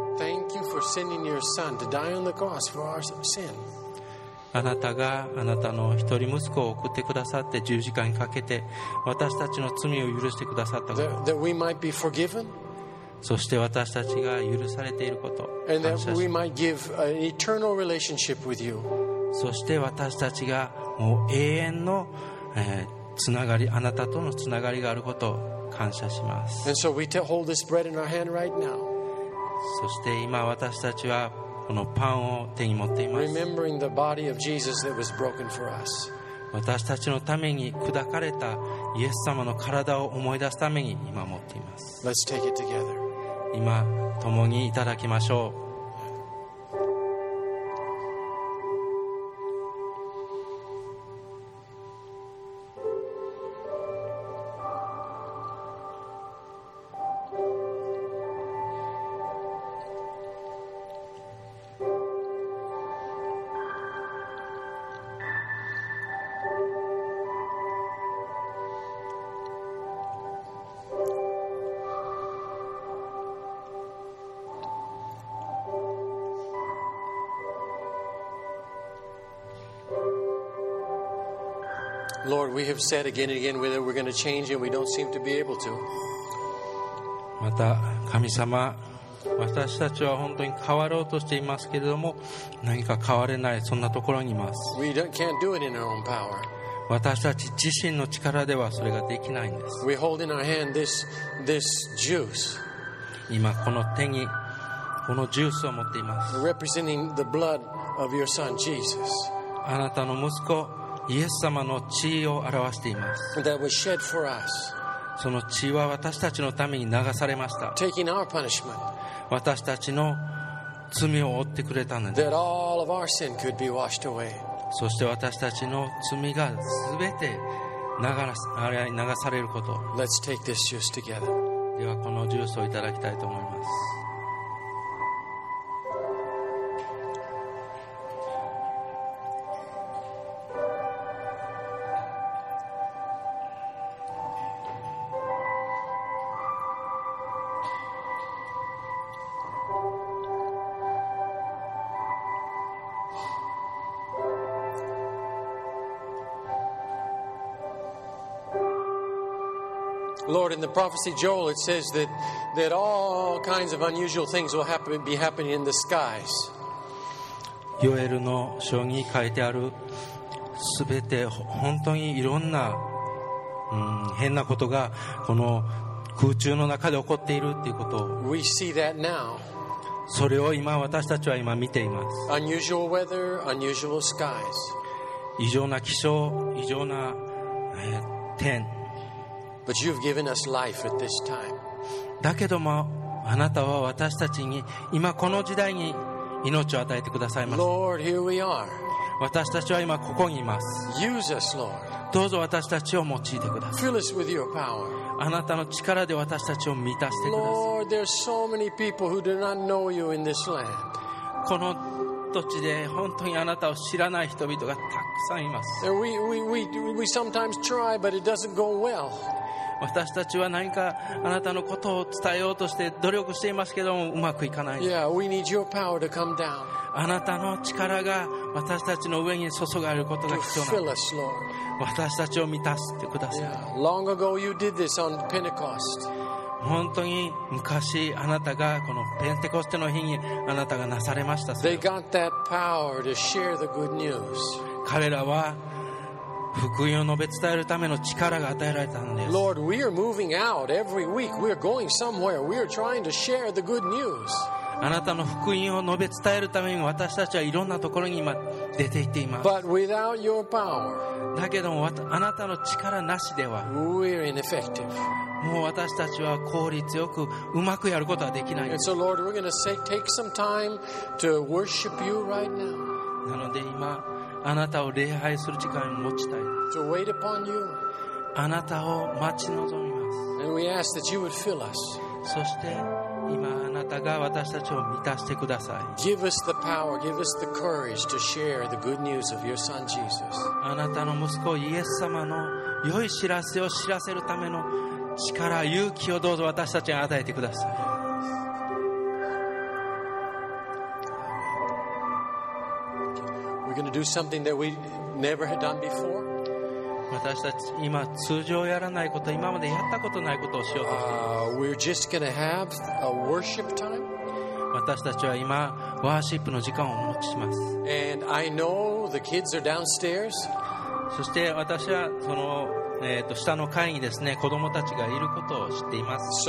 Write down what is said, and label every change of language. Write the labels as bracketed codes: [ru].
[en] Thank you for sending your son to die on the cross for our sin. [ja] あなたがあなたの一人息子を送ってくださって十字架にかけて私たちの罪を許してくださったこと。 [en] That we might be forgiven. [ja] そして私たちが許されていること。 [en] And that we might give an eternal relationship with you. [ja] そして私たちがもう永遠の、つながり、あなたとのつながりがあることを感謝します。 [en] And so we hold this bread in our hand right now. [ja] そして今私たちはこのパンを手に持っています。 [en] Remembering the body of Jesus that was broken for us. [ja] 私たちのために砕かれたイエス様の体を思い出すために今持っています。 [en] Let's take it together. [ja] 今共にいただきましょう。 [en] Lord, we have said again and again whether we're going to change and we don't seem to be able to. [ja] また神様、私たちは本当に変わろうとしていますけれども、何か変われない、そんなところにいます。 [en] We can't do it in our own power. [ja] 私たち自身の力ではそれができないんです。 [en] We hold in our hand this juice. [ja] 今この手にこのジュースを持っています。 [en] Representing the blood of your son Jesus. [ja] あなたの息子イエス様の血を表しています。 [en] That was shed for us. [ja] その血は私たちのために流されました。 [en] Taking our punishment. [ja] 私たちの罪を負ってくれたのです。 [en] That all of our sin could be washed away. [ja] そして私たちの罪が全て流されること。 [en] Let's take this juice together. [ja] ではこのジュースをいただきたいと思います。 [en] Lord, in the prophecy Joel, it says that all kinds of unusual things will be happening in the skies. [ja] ヨエルの書に書いてあるすべて本当にいろんな、変なことがこの空中の中で起こっているということを。 [en] We see that now. [ja] それを今私たちは今見ています。 [en] Unusual weather, unusual skies. [ja] 異常な気象、異常な、天。 [en] But you've given us life at this time. [ja] だけどもあなたは私たちに今この時代に命を与えてくださいました。 [en] Lord, here we are. [ja] 私たちは今ここにいます。 [en] Use us, Lord. [ja] どうぞ私たちを用いてください。 [en] Fill us with your power. [ja] あなたの力で私たちを満たしてください。 [en] Lord, there are so many people who do not know you in this land. [ja] この土地で本当にあなたを知らない人々がたくさんいます。 [en] We sometimes try, but it doesn't go well. [ja] 私たちは何かあなたのことを伝えようとして努力していますけどもうまくいかない。 [en] Yeah, we need your power to come down. [ja] あなたの力が私たちの上に注がれることが必要なんです。 [en] To fill us, Lord. [ja] 私たちを満たしてください。 [en] Yeah, long ago you did this on Pentecost. [ja] 本当に昔あなたがこのペンテコステの日にあなたがなされました。 [en] They got that power to share the good news. [ja] 彼らは福音を述べ伝えるための力が与えられたんです。 [en] Lord, we are moving out every week. We are going somewhere. We are trying to share the good news. [ja] あなたの福音を述べ伝えるために私たちはいろんなところに今出て行っています。 [en] But without your power, [ja] だけどもあなたの力なしでは、 [en] we are ineffective. [ja] もう私たちは効率よくうまくやることはできない。 [en] And so, Lord, we're going to take some time to worship you right now. [ja] なので今。あなたを礼拝する時間を持ちたい。 [en] To wait upon you. [ja] あなたを待ち望みます。 [en] And we ask that you would fill us. [ja] そして今あなたが私たちを満たしてください。 [en] Give us the power, give us the courage to share the good news of your son Jesus. [ja] あなたの息子イエス様の良い知らせを知らせるための力、勇気をどうぞ私たちに与えてください。 [en] Going to do something that we never had done before. [ja] 私たち今通常やらないこと、今までやったことないことをしようとしています。 [en] We're just going to have a worship time. [ja] 私たちは今ワーシップの時間を持ちします。 [en] And I know The kids are downstairs. [ja] そして私はその下の階にですね、子供たちがいることを知っています。